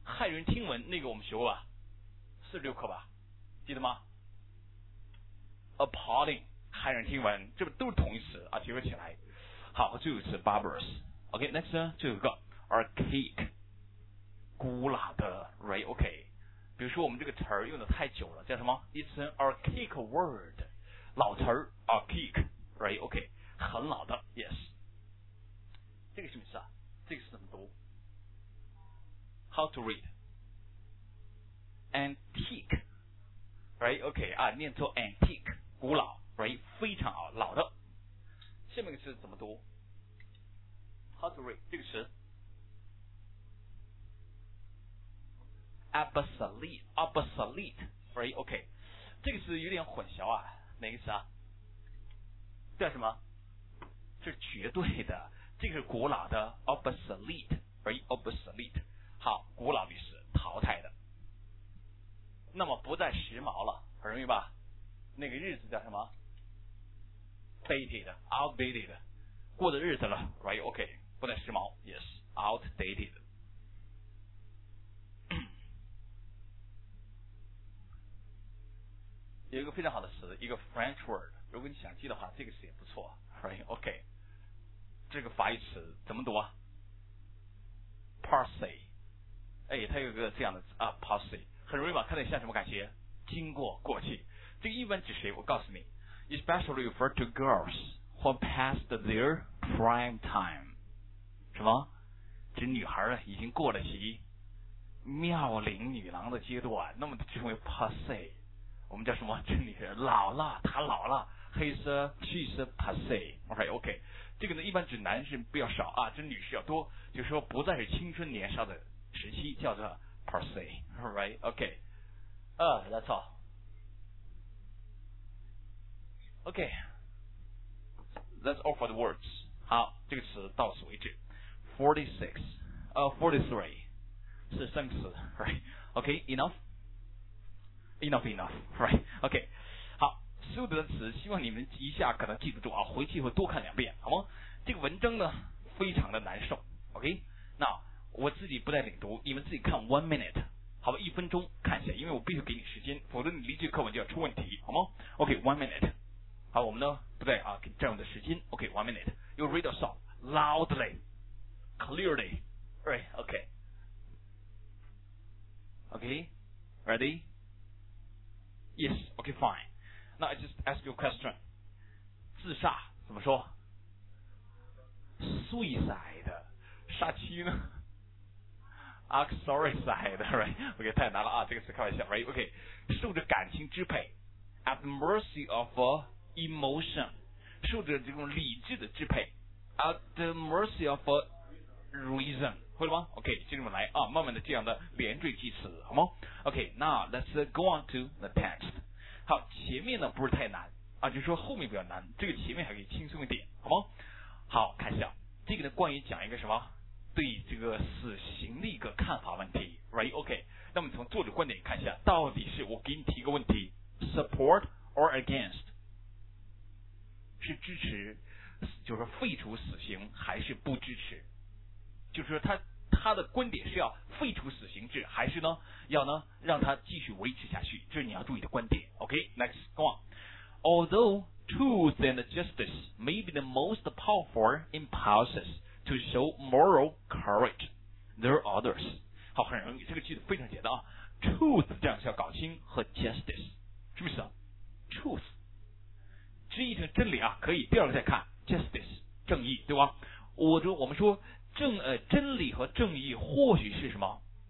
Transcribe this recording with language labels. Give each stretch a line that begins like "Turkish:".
Chinese: 人听闻，那个我们学过吧，四十六课吧，记得吗？ Appalling， 骇人听闻，这不都是同义词啊，结合起来。好，最后一次 barbarous。OK， next 呢，最后一个 archaic， 古老的 right， OK， 比如说我们这个词用的太久了，叫什么？
English: It's an archaic word，
Chinese: 老词
English: archaic， right， OK，
Chinese: 很老的，
English: yes。
Chinese: 这个什么意思啊？这个是怎么读？
English: How to read antique, right?
Chinese: OK 啊，念作 antique， 古老， right? 非常好，老的。下面一个词怎么读？
English: How to read
Chinese: 这个词？
English: Obsolete, obsolete, right?
Chinese: OK， 这个词有点混淆啊，哪个词啊？叫什么？这是绝对的，这个是古老的 obsolete, right?
English: Obsolete。
Chinese: 好，古老历史淘汰的，那么不再时髦了，很容易吧？那个日子叫什么 ？dated， outdated， 过的日子了 ，right？ OK， 不再时髦 ，yes， outdated。有一个非常好的词，一个 French word， 如果你想记的话，这个词也不错 ，right？ OK， 这个法语词怎么读啊 ？Parsi。哎，它有个这样的啊 ，passé， 很容易吧？看得像什么感觉？经过、过去。这个一般指谁？
English: 我告诉你 ，especially refer to girls who passed their prime time，
Chinese: 什么？指女孩了，已经过了其妙龄女郎的阶段，那么称为 passé。我们叫什么？这女人老了，她老了 ，his she's passé。 OK， 这个呢，一般指男人比较少啊，指女士要多，就是说不再是青春年少的。时期叫做 Parsi， right？
English: OK， that's all。 OK， that's all for the words。
Chinese: 好，这个词到此为止。43 是生词， right？
English: OK， enough right？
Chinese: OK， 好，所有的词希望你们一下可能记不住啊，回去会多看两遍，好吗？这个文章呢非常的难受。OK， now我自己不再领读，你们自己看 one minute， 好吧，一分钟看一下，因为我必须给你时间，否则你理解课文就要出问题，好吗？ OK， one minute， 好，我们呢不再啊占用的时间。
English: OK， one minute， you read a song loudly clearly， right？ OK， OK， ready？ Yes， OK， fine。 Now I just ask you a question，
Chinese: 自杀怎么说？
English: suicide，
Chinese: 杀妻呢？
English: Suicide， right？
Chinese: OK， 太难了啊，这个词开玩笑， right？ OK， 受着感情支配，
English: at the mercy of emotion，
Chinese: 受着这种理智的支配，
English: at the mercy of reason，
Chinese: 会了吗？ OK， 接着我们来啊，慢慢的这样的连缀记词，好吗？
English: OK， now let's go on to the text。
Chinese: 好，前面呢不是太难啊，就是说后面比较难，这个前面还可以轻松一点，好吗？好，看一下这个呢，关于讲一个什么对这个死刑的一个看法问题， right？ OK， 那么从作者观点看一下，到底是我给你提个问题，
English: support or against，
Chinese: 是支持就是废除死刑还是不支持，就是说他的观点是要废除死刑制还是呢要呢让他继续维持下去，这是你要注意的观点。
English: OK， next， go on。 Although truth and justice may be the most powerful impulses to show moral courage, there are others。
Chinese: 好，很容易，这个句子非常简单啊。Truth 这样是要搞清，和 justice 是不是啊？ Truth 这一层真理啊，可以。第二个再看 justice 正义，对吧？我们说真理和正义或许是什么？